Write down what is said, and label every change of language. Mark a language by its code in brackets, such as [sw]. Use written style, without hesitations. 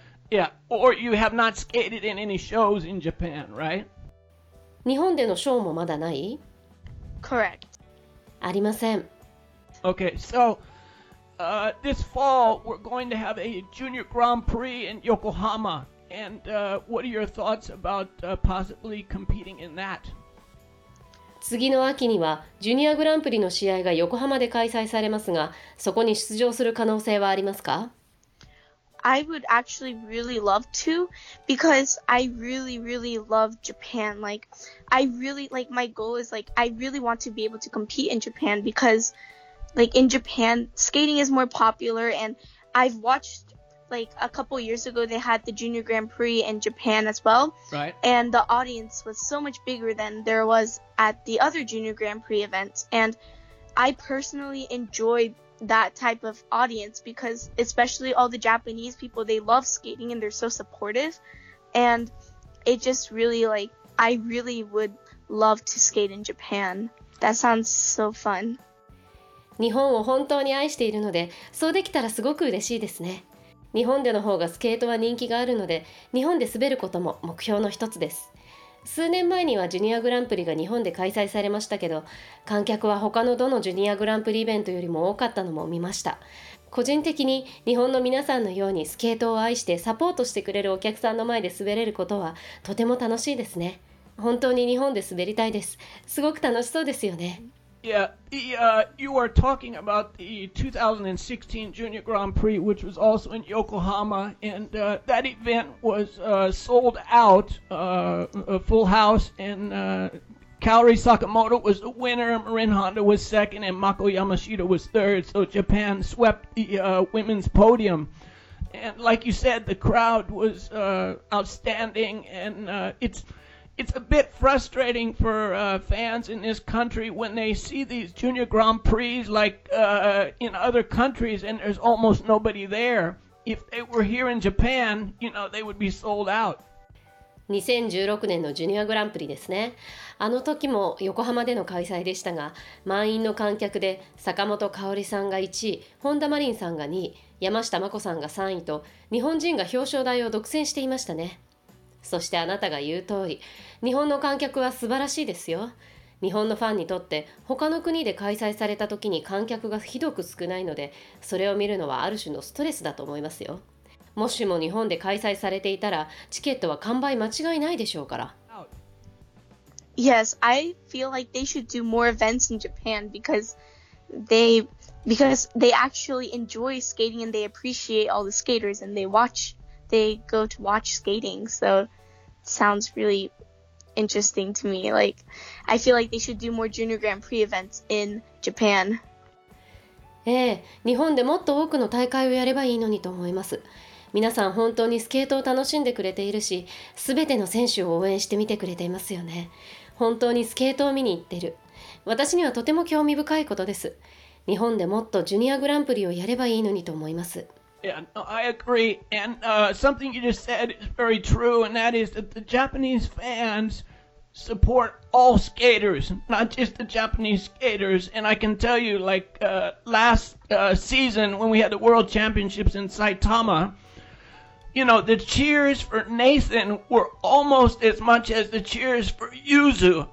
[en] Yeah, or you have not skated in any shows in Japan, right? [ja] 日本でのショーもまだない? [en] Correct. [ja] ありません。 [en] Okay, so this fall we're going to have a Junior Grand Prix in Yokohama. And what are your thoughts about possibly competing in that? [ja] 次の秋にはジュニアグランプリの試合が横浜で開催されますが、そこに出場する可能性はありますか? [en] I would actually really love to, because I really, really love Japan. Like, I really, like, my goal is, like, I really want to be able to compete in Japan, because, like, in Japan, skating is more popular, and I've watched, like, a couple years ago, they had the Junior Grand Prix in Japan as well. Right. And the audience was so much bigger than there was at the other Junior Grand Prix events. And I personally enjoyed that type of audience, because especially all the Japanese people, they love skating and they're so supportive, and it just really, like, I really would love to skate in Japan. That sounds so fun. [ja] 日本を本当に愛しているので、そうできたらすごく嬉しいですね。日本での方がスケートは人気があるので、日本で滑ることも目標の一つです。数年前にはジュニアグランプリが日本で開催されましたけど、観客は他のどのジュニアグランプリイベントよりも多かったのも見ました。個人的に日本の皆さんのようにスケートを愛してサポートしてくれるお客さんの前で滑れることはとても楽しいですね。本当に日本で滑りたいです。すごく楽しそうですよね。 [en] Yeah, you are talking about the 2016 Junior Grand Prix, which was also in Yokohama, and that event was sold out, a full house, and Kaori Sakamoto was the winner, Marin Honda was second, and Mako Yamashita was third, so Japan swept the women's podium. And like you said, the crowd was outstanding, and It's a bit frustrating for fans in this country when they see these Junior Grand Prix like in other countries and there's almost nobody there. if they were here in Japan, you know, they would be sold out. [ja] 2016年のジュニアグランプリですね。あの時も横浜での開催でしたが、満員の観客で坂本花織さんが1位、本田真凜さんが2位、山下真子さんが3位と、日本人が表彰台を独占していましたね。そしてあなたが言う通り、日本の観客は素晴らしいですよ。日本のファンにとって他の国で開催された時に観客がひどく少ないので、それを見るのはある種のストレスだと思いますよ。もしも日本で開催されていたら、チケットは完売間違いないでしょうから。 [en] Yes, I feel like they should do more events in Japan because they actually enjoy skating and they appreciate all the skaters and they go to watch skating. So it sounds really interesting to me. Like, I feel like they should do more Junior Grand Prix events in Japan. [ja] ええ、日本でもっと多くの大会をやればいいのにと思います。皆さん本当にスケートを楽しんでくれているし、すべての選手を応援してみてくれていますよね。本当にスケートを見に行ってる。私にはとても興味深いことです。日本でもっとジュニアグランプリをやればいいのにと思います。 [en] Yeah, no, I agree. And, something you just said is very true, and that is that the Japanese fans support all skaters, not just the Japanese skaters. And I can tell you, like, last season when we had the World Championships in Saitama,You know, the cheers for Nathan were almost as much as the cheers for Yuzu.